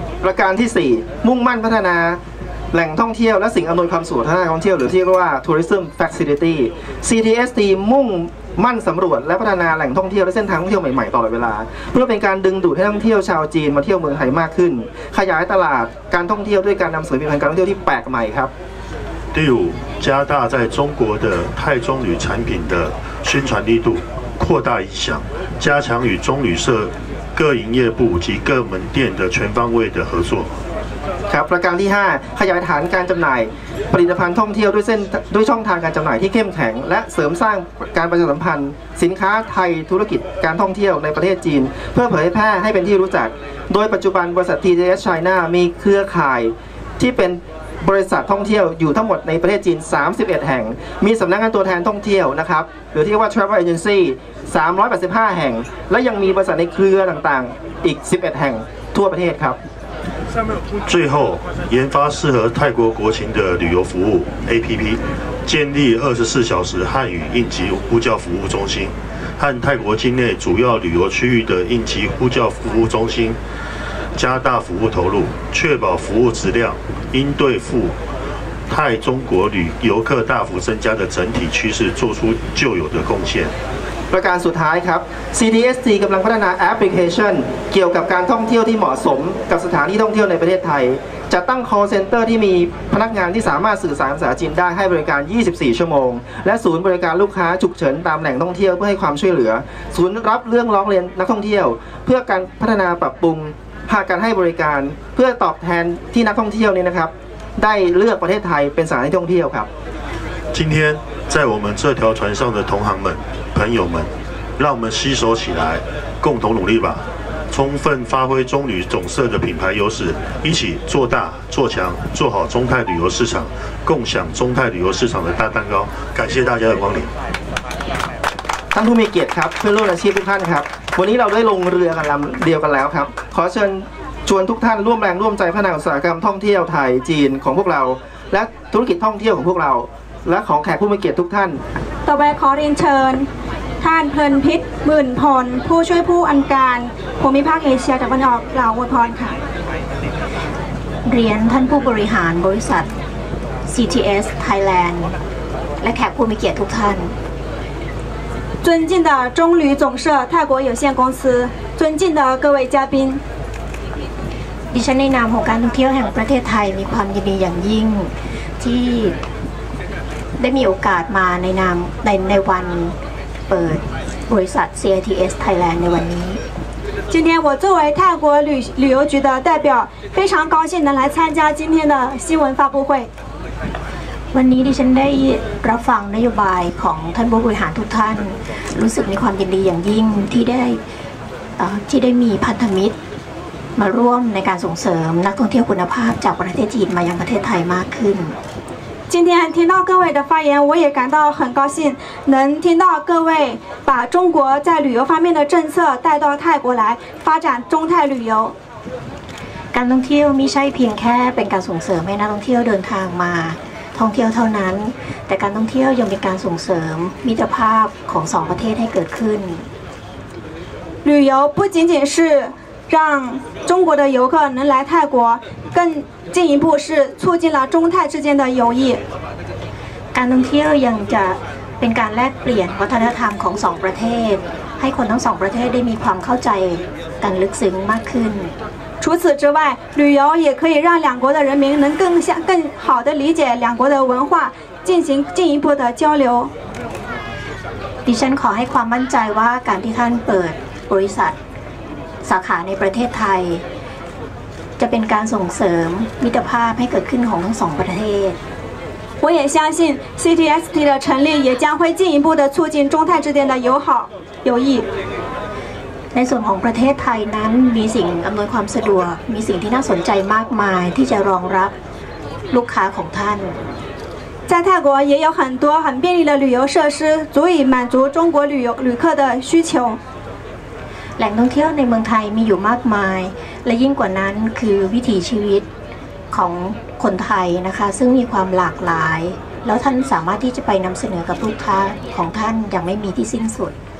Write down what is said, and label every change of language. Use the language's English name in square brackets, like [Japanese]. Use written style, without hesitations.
[Thai] ประการที่4มุ่งมั่นพัฒนาแหล่งท่องเที่ยวและสิ่งอำนวยความสะดวกทางการท่องเที่ยวหรือที่เรียกว่า Tourism Facility CTST มุ่งมั่นสำรวจและพัฒนาแหล่งท่องเที่ยวและเส้นทางท่องเที่ยวใหม่ๆตลอดเวลาเพื่อเป็นการดึงดูดให้นักท่องเที่ยวชาวจีนมาเที่ยวเมืองไทยมากขึ้นขยายตลาดการท่องเที่ยวด้วยการนำเสนอผลิตภัณฑ์การท่องเที่ยวที่แปลกใหม่ครับ [Chinese] 第五加大在中国的泰中旅产品的宣传力度扩大影响加强与中旅社各营业部及各门店的全方位的合作 [Thai] ครับประการที่5ขยายฐานการจำหน่ายผลิตภัณฑ์ท่องเที่ยวด้วยช่องทางการจำหน่ายที่เข้มแข็งและเสริมสร้างการประชาสัมพันธ์สินค้าไทยธุรกิจการท่องเที่ยวในประเทศจีนเพื่อเผยแพร่ให้เป็นที่รู้จักโดยปัจจุบันบริษัท TJS China มีเครือข่ายที่เป็นบริษัทท่องเที่ยวอยู่ทั้งหมดในประเทศจีน31แห่งมีสำนักงานตัวแทนท่องเที่ยวนะครับหรือที่เรียกว่า Travel Agency 385แห่งและยังมีบริษัทในเครือต่างๆอีก11แห่งทั่วประเทศครับ [Chinese] 最后研发适合泰国国情的旅游服务 APP 建立24小时汉语应急呼叫服务中心和泰国境内主要旅游区域的应急呼叫服务中心加大服务投入确保服务质量应对赴泰中国旅游客大幅增加的整体趋势做出就有的贡献 [Thai] ประการสุดท้ายครับ CTST กำลังพัฒนาแอปพลิเคชันเกี่ยวกับการท่องเที่ยวที่เหมาะสมกับสถานที่ท่องเที่ยวในประเทศไทยจะตั้ง call center ที่มีพนักงานที่สามารถสื่อสารภาษาจีนได้ให้บริการ24ชั่วโมงและศูนย์บริการลูกค้าฉุกเฉินตามแหล่งท่องเที่ยวเพื่อให้ความช่วยเหลือศูนย์รับเรื่องร้องเรียนนักท่องเที่ยวเพื่อการพัฒนาปรับปรุงภาคการให้บริการเพื่อตอบแทนที่นักท่องเที่ยวนี้นะครับได้เลือกประเทศไทยเป็นสถานที่ท่องเที่ยวครับ [Chinese] 今天在我们这条船上的同行们朋友们让我们携手起来共同努力吧充分发挥中旅总社的品牌优势一起做大做强做好中泰旅游市场共享中泰旅游市场的大蛋糕感谢大家的光临 [Thai] ท่านผู้มีเกียรติครับเพื่อนร่วมอาชีพทุกท่านครับวันนี้เราได้ลงเรือกันลําเดียวกันแล้วครับขอเชิญชวนทุกท่านร่วมแรงร่วมใจพัฒนาอุตสาหกรรมท่องเที่ยวไทยจีนของพวกเราและธุรกิจท่องเที่ยวของพวกเราและของแขกผู้มีเกียรติทุกท่าน ต่อไปขอเรียนเชิญท่านเพลินพิษหมื่นพลผู้ช่วยผู้อัญการภูมิภาคเอเชียตะวันออกกล่าวอวยพรค่ะ เรียนท่านผู้บริหารบริษัท CTS Thailand และแขกผู้มีเกียรติทุกท่าน [Chinese] 尊敬的中旅总社泰国有限公司尊敬的各位嘉宾 [Thai] ดิฉันในนามของการท่องเที่ยวแห่งประเทศไทยมีความยินดีอย่างยิ่งที่ได้มีโอกาสมาในนามในวันเปิดบริษัท CITS Thailand ในวันนี้ [Chinese] 今天我作为泰国旅游局的代表非常高兴能来参加今天的新闻发布会 [Thai] วันนี้ดิฉันได้รับฟังนโยบายของท่านผู้บริหารทุกท่านรู้สึกมีความยินดีอย่างยิ่งที่ได้มีพันธมิตรมาร่วมในการส่งเสริมนักท่องเที่ยวคุณภาพจากประเทศจีนมายังประเทศไทยมากขึ้น [Chinese] 今天听到各位的发言，我也感到很高兴，能听到各位把中国在旅游方面的政策带到泰国来发展中泰旅游。 [Thai] การท่องเที่ยวไม่ใช่เพียงแค่เป็นการส่งเสริมให้นักท่องเที่ยวเดินทางมาท่องเที่ยวเท่านั้นแต่การท่องเที่ยวยังเป็นการส่งเสริมมิตรภาพของสองประเทศให้เกิดขึ้น [Chinese] 旅游不仅仅是让中国的游客能来泰国，更进一步是促进了中泰之间的友谊。 [Thai] การท่องเที่ยวยังจะเป็นการแลกเปลี่ยนวัฒนธรรมของสองประเทศให้คนทั้งสองประเทศได้มีความเข้าใจกันลึกซึ้งมากขึ้น。 [Chinese] 除此之外，旅游也可以让两国的人民能更好的理解两国的文化，进行进一步的交流。 [Thai] ดิฉันขอให้ความมั่นใจว่าการที่ท่านเปิดบริษัทสาขาในประเทศไทยจะเป็นการส่งเสริมมิตรภาพให้เกิดขึ้นของทั้งสองประเทศ [Chinese] 我也相信 CTST 的成立也将会进一步的促进中泰之间的友好友谊 [Thai] ในส่วนของประเทศไทยนั้นมีสิ่งอำนวยความสะดวกมีสิ่งที่น่าสนใจมากมายที่จะรองรับลูกค้าของท่าน [Chinese] 在泰国也有很多很便利的旅游设施足以满足中国旅客的需求 [Thai] แหล่งท่องเที่ยวในเมืองไทยมีอยู่มากมายและยิ่งกว่านั้นคือวิถีชีวิตของคนไทยนะคะซึ่งมีความหลากหลายแล้วท่านสามารถที่จะไปนำเสนอกับลูกค้าของท่านอย่างไม่มีที่สิ้นสุด